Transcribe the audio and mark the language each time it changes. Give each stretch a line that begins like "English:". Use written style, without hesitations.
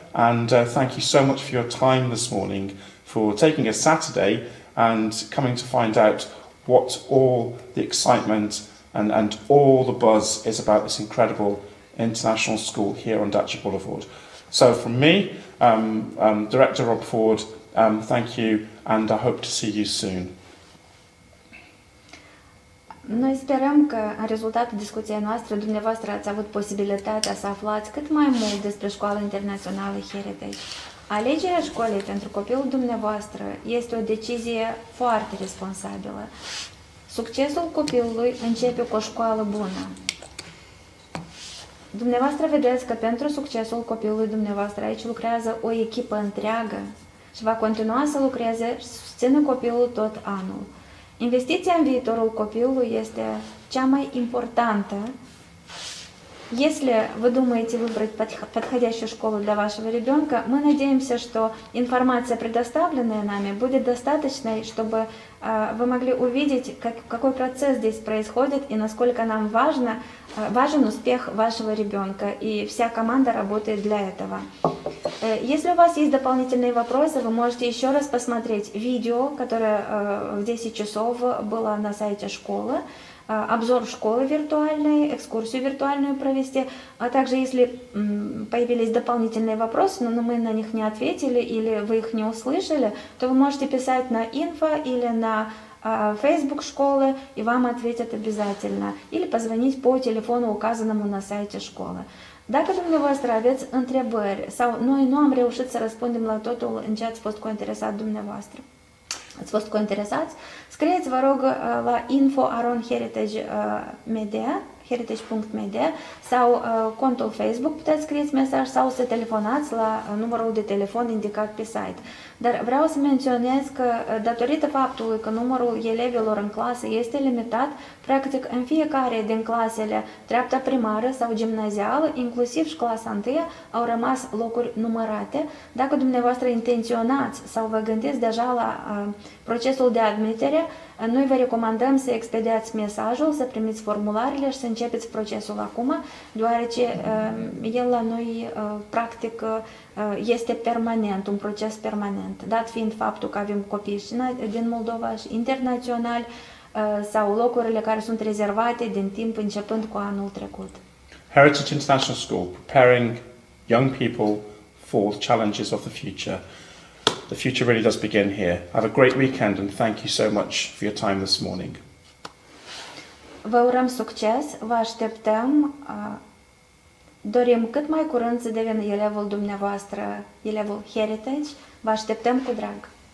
English: And thank you so much for your time this morning, for taking a Saturday and coming to find out what all the excitement and all the buzz is about this incredible international school here on Dacia Boulevard. So from me, Director Rob Ford, thank you, and I hope to see you soon.
Romanian: Noi sperăm că în rezultatul discuției noastre dumneavoastră ați avut posibilitatea să aflați cât mai mult despre școala internațională Heritage. Alegerea școlii pentru copilul dumneavoastră este o decizie foarte responsabilă. Succesul copilului începe cu o școală bună. Dumneavoastră vedeți că pentru succesul copilului dumneavoastră aici lucrează o echipă întreagă și va continua să lucreze și să susțină copilul tot anul. Investiția în viitorul copilului este cea mai importantă.
Russian: Если вы думаете выбрать подходящую школу для вашего ребенка, мы надеемся, что информация, предоставленная нами, будет достаточной, чтобы вы могли увидеть, какой процесс здесь происходит и насколько нам важен успех вашего ребенка. И вся команда работает для этого. Если у вас есть дополнительные вопросы, вы можете еще раз посмотреть видео, которое в 10 часов было на сайте школы. Обзор школы виртуальной, экскурсию виртуальную провести. А также, если появились дополнительные вопросы, но мы на них не ответили или вы их не услышали, то вы можете писать на инфо или на Facebook школы, и вам ответят обязательно. Или позвонить по телефону, указанному на сайте школы.
Romanian: Dacă dumneavoastră aveți întrebări sau noi nu am reușit să răspundem la totul în ce ați fost cointeresat dumneavoastră, ați fost cointeresați, scrieți, vă rog, la info@heritage.media sau contul Facebook, puteți scrieți mesaj sau să telefonați la numărul de telefon indicat pe site. Dar vreau să menționez că, datorită faptului că numărul elevilor în clasă este limitat, practic în fiecare din clasele treapta primară sau gimnazială, inclusiv și clasa întâia, au rămas locuri numărate. Dacă dumneavoastră intenționați sau vă gândiți deja la procesul de admitere, noi vă recomandăm să expediați mesajul, să primiți formularele și să începeți procesul acum, deoarece el la noi practic este permanent, un proces permanent, dat fiind faptul că avem copii și din Moldova și internaționali sau locurile care sunt rezervate din timp începând cu anul trecut.
English: Heritage International School, preparing young people for the challenges of the future. The future really does begin here. Have a great weekend and thank you so much for your time this morning.
Romanian: Vă urăm succes, vă așteptăm. Dorim cât mai curând să devină elevul dumneavoastră, elevul Heritage. Vă așteptăm cu drag.